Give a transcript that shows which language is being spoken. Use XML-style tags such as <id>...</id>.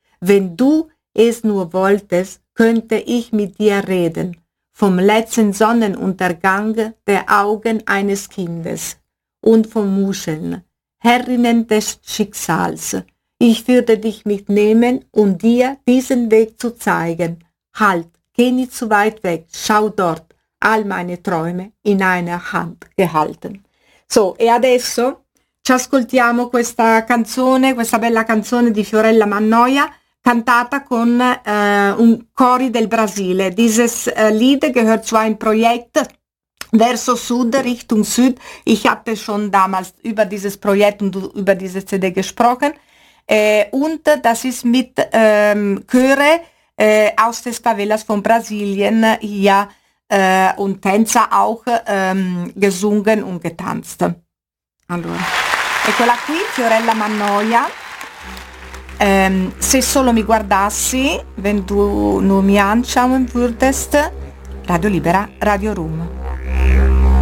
<de>wenn du es nur wolltest, könnte ich mit dir reden, vom letzten Sonnenuntergang der Augen eines Kindes und von Muscheln, Herrinnen des Schicksals. Ich würde dich mitnehmen, um dir diesen Weg zu zeigen. Halt, geh nicht zu weit weg, schau dort, all meine Träume in einer Hand gehalten.</de> <it>So, e adesso ci ascoltiamo questa canzone, questa bella canzone di Fiorella Mannoia, cantata con un cori del Brasile.</it> <de>Dieses Lied gehört zu einem Projekt Verso Sud, Richtung Süd. Ich hatte schon damals über dieses Projekt und über diese CD gesprochen. Und das ist mit Chöre aus des Favelas von Brasilien hier und Tänzer auch gesungen und getanzt.</de> <it>Allora. Eccola qui, Fiorella Mannoia. Se solo mi guardassi,</it> <de>wenn du nur mir anschauen würdest, Radio Libera, Radio Room.</de>